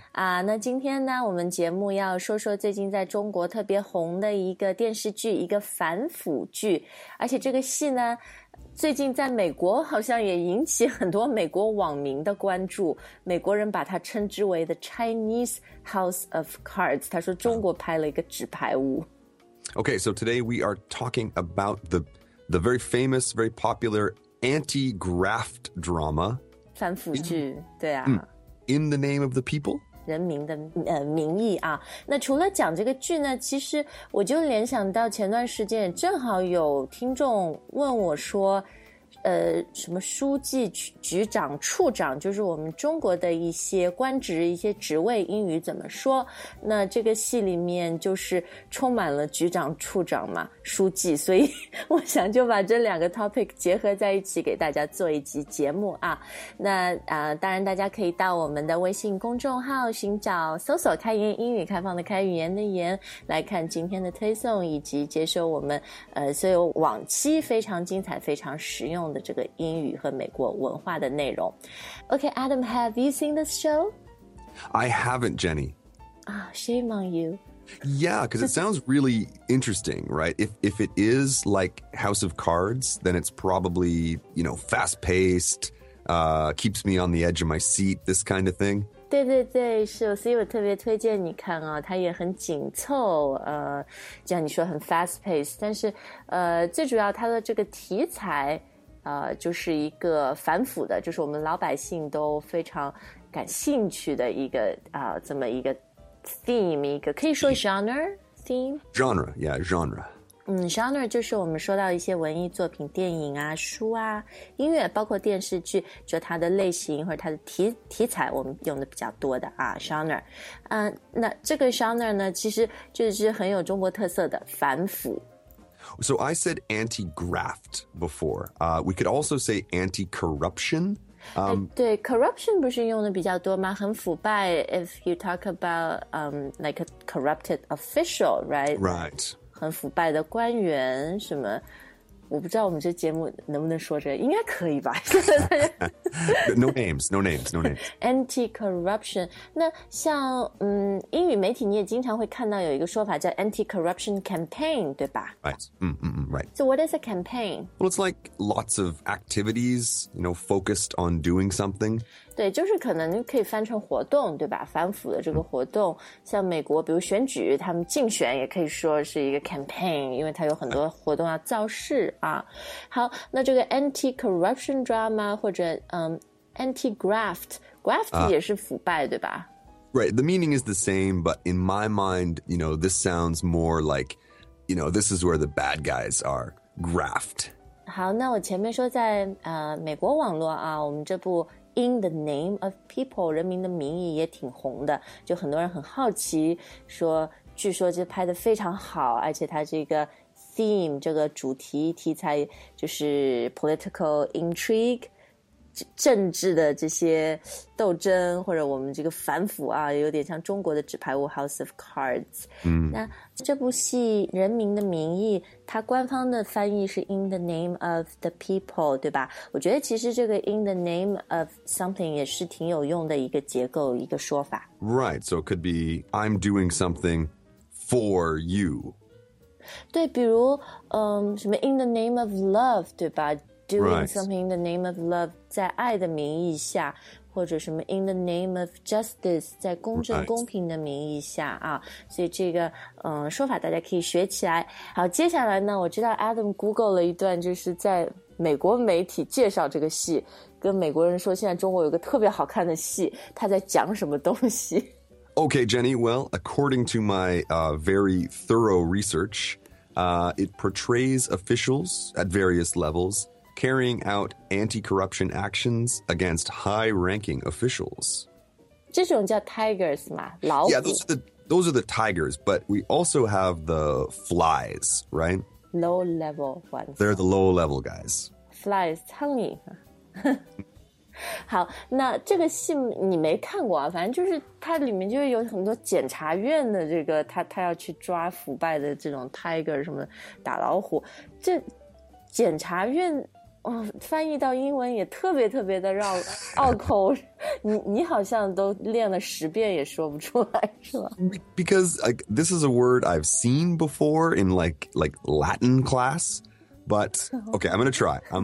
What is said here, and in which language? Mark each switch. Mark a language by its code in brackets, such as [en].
[zh] 啊，那今天呢，我们节目要说说最近在中国特别红的一个电视剧，一个反腐剧，而且这个戏呢最近在美国好像也引起很多美国网民的关注，美国人把它称之为 The Chinese House of Cards， 他说中国拍了一个纸牌屋。 [en] Okay, so today we are talking about the very famous, very popular anti-graft drama. [zh] 反腐剧，对啊。 [en] In the name of the people? [zh] 人民的名义啊，那除了讲这个剧呢，其实我就联想到前段时间正好有听众问我说，什么书记、局长、处长，就是我们中国的一些官职、一些职位，英语怎么说？那这个戏里面就是充满了局长、处长嘛，书记，所以我想就把这两个 topic 结合在一起，给大家做一集节目啊。那当然大家可以到我们的微信公众号寻找、搜索"开言英语"，开放的开，语言的言，来看今天的推送以及接收我们所有往期非常精彩、非常实用。用的这个英语和美国文化的内容。 [en] Okay, Adam, have you seen this show? I haven't, Jenny. Ah, shame on you. Yeah, because it sounds really interesting, right? If it is like House of Cards, then it's probably, you know, fast-paced, keeps me on the edge of my seat, this kind of thing. [zh] 对对对，是，所以我特别推荐你看啊，它也很紧凑，就像你说很 fast pace， 但是最主要它的这个题材就是一个反腐的，就是我们老百姓都非常感兴趣的一个这么一个 theme， 一个可以说 genre theme [en] genre， yeah genre。 [zh] Genre 就是我们说到一些文艺作品，电影啊、书啊、音乐，包括电视剧，就它的类型或者它的题材我们用的比较多的啊 genre。那这个 genre 呢其实就是很有中国特色的反腐。 [en] So I said anti-graft before. We could also say anti-corruption. [zh] 对 corruption 不是用的比较多吗？很腐败 [en] if you talk about like a corrupted official, right? Right. [zh] 很腐败的官员什么，我不知道我们这节目能不能说这个，应该可以吧 [en] No names, no names, no names. Anti-corruption. [zh] 那像英语媒体你也经常会看到有一个说法叫 anti-corruption campaign, 对吧 [en] Right, right. So what is a campaign? Well, it's like lots of activities, you know, focused on doing something. [zh] 对，就是可能可以翻成活动，对吧？反腐的这个活动，像美国比如选举，他们竞选也可以说是一个 campaign, 因为它有很多活动要造势啊。好，那这个 anti-corruption drama 或者anti-graft, graft 也是腐败对吧 [en] Right, the meaning is the same, but in my mind, you know, this sounds more like, you know, this is where the bad guys are, graft. [zh] 好，那我前面说在美国网络啊，我们这部 In the Name of People, 人民的名义也挺红的，就很多人很好奇说，据说就拍得非常好，而且它这个 theme, 这个主题题材就是 political intrigue, 政治的这些斗争或者我们这个反腐啊有点像中国的纸牌屋 House of Cards、那这部戏人民的名义它官方的翻译是 In the name of the people 对吧我觉得其实这个 In the name of something 也是挺有用的一个结构一个说法 [en] Right, so it could be I'm doing something for you [zh] 对比如什么 In the name of love 对吧 [en] Doing something in the name of love, [zh] 在爱的名义下，或者什么 [en] in the name of justice, [zh] 在公正公平的名义下啊，所以这个说法大家可以学起来。好，接下来呢，我知道 Adam Google 了一段，就是在美国媒体介绍这个戏，跟美国人说现在中国有个特别好看的戏，他在讲什么东西。 [en] Okay, Jenny. Well, according to my very thorough research, it portrays officials at various levels. Carrying out anti-corruption actions against high-ranking officials. [zh] 这种叫 tigers 嘛，老虎。 [en] Yeah, those are the tigers, but we also have the flies, right? Low-level ones. They're the low-level guys. [zh] Flies, 苍蝇。好，那这个戏你没看过啊？反正就是它里面就有很多检察院的这个，他要去抓腐败的这种 tiger 什么打老虎，这检察院哦，翻译到英文也特别特别的绕拗口。你好像都练了十遍也说不出来，是吧 [en] ？Because like this is a word I've seen before in like Latin class, but okay, I'm gonna try.